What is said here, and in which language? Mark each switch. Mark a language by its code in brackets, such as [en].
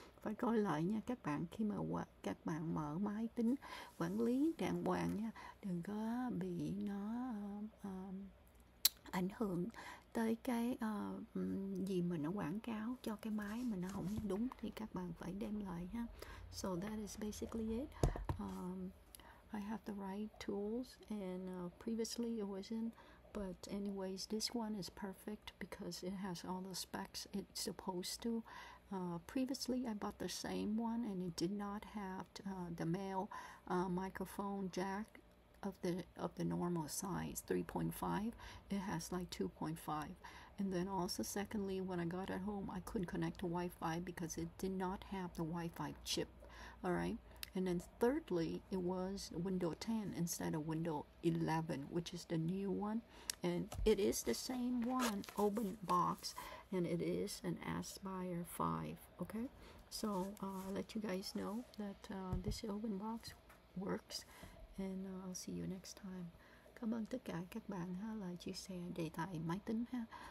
[vi] Phải coi lại nha các bạn, khi mà các bạn mở máy tính quản lý đàng hoàng nha, đừng có bị nó ảnh hưởng tới cái gì mà nó quảng cáo cho cái máy mà nó không đúng thì các bạn phải đem lại ha. [en] So that is basically it. I have the right tools and previously it wasn't, but anyways this one is perfect because it has all the specs it's supposed to. Previously I bought the same one and it did not have the male microphone jack of the normal size 3.5. It has like 2.5. And then also secondly, when I got at home, I couldn't connect to Wi-Fi because it did not have the Wi-Fi chip. All right. And then thirdly, it was Windows 10 instead of Windows 11, which is the new one. And it is the same one, open box, and it is an Aspire 5. Okay. So I'll let you guys know that this open box works. And I'll see you next time. [vi] Cảm ơn tất cả các bạn ha, là chia sẻ đề tài máy tính ha.